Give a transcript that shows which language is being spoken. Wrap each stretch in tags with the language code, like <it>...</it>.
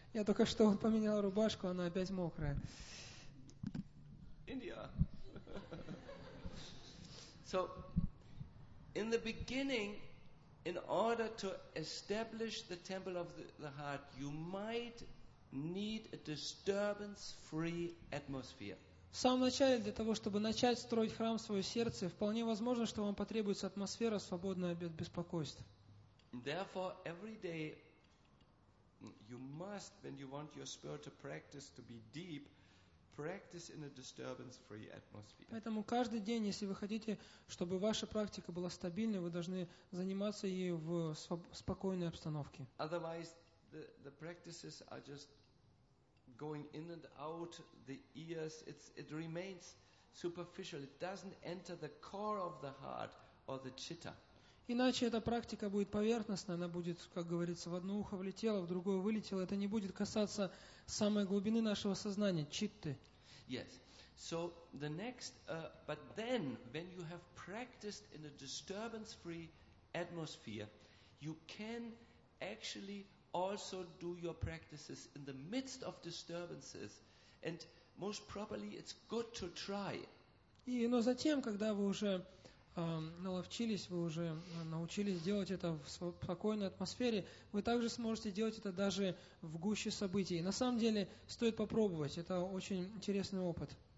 <ru>Я только что поменял рубашку, она опять мокрая.</ru> <en>India. So, in the beginning, in order to establish the temple of the heart, you might need a disturbance-free atmosphere.</en> <ru>В самом начале, для того, чтобы начать строить храм в свое сердце, вполне возможно, что вам потребуется атмосфера, свободная от беспокойств.</ru> <en>Therefore, every day, you must, when you want your spiritual practice to be deep, practice in a disturbance-free atmosphere.</en> <ru>Поэтому каждый день, если вы хотите, чтобы ваша практика была стабильной, вы должны заниматься ей в спокойной обстановке.</ru> <en>Otherwise, the practices are just going in and out the ears. It remains superficial. It doesn't enter the core of the heart or the chitta.</en> <ru>Иначе эта практика будет поверхностной, она будет, как говорится, в одно ухо влетела, в другое вылетела. Это не будет касаться самой глубины нашего сознания, читты.</ru> <en>Yes. So the next, but then, when you have practiced in a disturbance-free atmosphere, you can actually also do your practices in the midst of disturbances. And most probably, it's good to try.</en> <ru>Но затем, когда вы уже наловчились, вы уже научились делать это в спокойной атмосфере, вы также сможете делать это даже в гуще событий. На самом деле, стоит попробовать. Это очень интересный опыт.</ru>